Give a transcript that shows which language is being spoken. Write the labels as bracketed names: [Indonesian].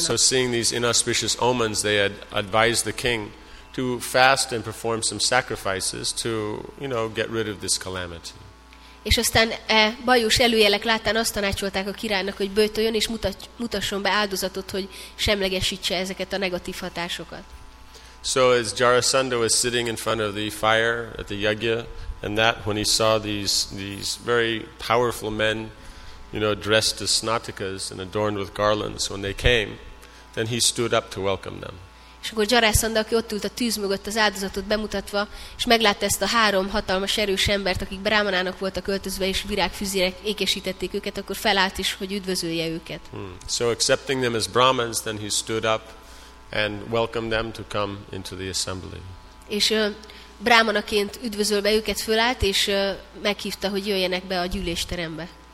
[English] So seeing these inauspicious omens, they had advised the king to fast and perform some sacrifices to, you know, get rid of this calamity. [Hungarian] És aztán bajos előjelek láttán azt tanácsolták a királynak, hogy böjtöljön és mutasson be áldozatot, hogy semlegesítse ezeket a negatív hatásokat. [English] So as Jarasandha was sitting in front of the fire at the yagya, and that when he saw these very powerful men, you know, dressed as snatikas and adorned with garlands, when they came, then he stood up to welcome them. [Hungarian] És akkor Jarasandha, aki ott ült a tűz mögött az áldozatot bemutatva, és meglátta ezt a három hatalmas erős embert, akik brahmanának voltak öltözve, és virágfüzérek ékesítették őket, akkor felállt is, hogy üdvözölje őket. [English] So accepting them as brahmins, then he stood up and welcomed them to come into the assembly. [Hungarian] És brahmanaként üdvözölve őket fölállt, és meghívta, hogy jöjjenek be a gyűlésterembe.